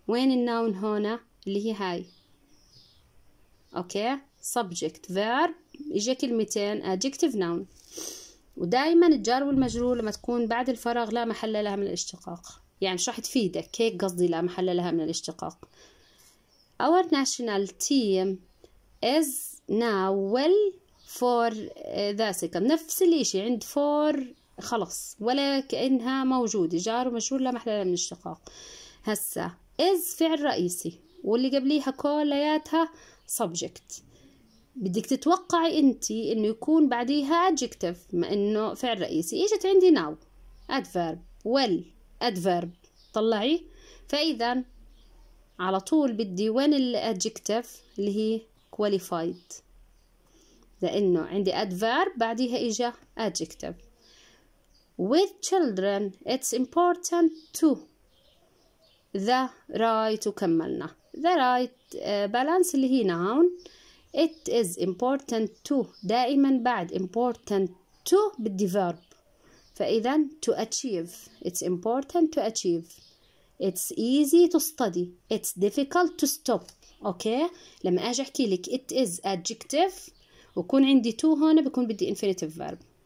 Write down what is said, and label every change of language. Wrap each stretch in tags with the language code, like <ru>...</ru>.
<ar>وين الناون هنا اللي هي هاي؟ اوكي subject verb اجا كلمتين adjective noun. ودائما الجار والمجرور لما تكون بعد الفراغ لا محل لها من الاشتقاق, يعني شو راح تفيدك هيك قصدي لا محل لها من الاشتقاق.</ar> <en>Our national team is now well for the second.</en> <ar>نفس الاشي عند for خلص ولا كأنها موجودة, جار ومجرور لا محل لها من الاشتقاق. هسا is فعل رئيسي واللي قبليها كلياتها subject. بدك تتوقعي انت انه يكون بعديها adjective ما انه فعل رئيسي. اجت عندي now adverb well adverb طلعي, فاذا على طول بدي وين الadjective اللي هي qualified لانه عندي adverb بعديها اجا adjective.</ar> <en>With children it's important to the right,</en> <ar>وكملنا</ar> <en>the right balance اللي هي noun. It is important to,</en> <ar>دائما بعد</ar> <en>important to بدي verb, فإذا to achieve, it's important to achieve. It's easy to study, it's difficult to stop.</en> <ar>Okay, لما أجي أحكي لك</ar> <en>it is adjective</en> <ar>وكون عندي to هنا بكون بدي infinitive verb.</ar>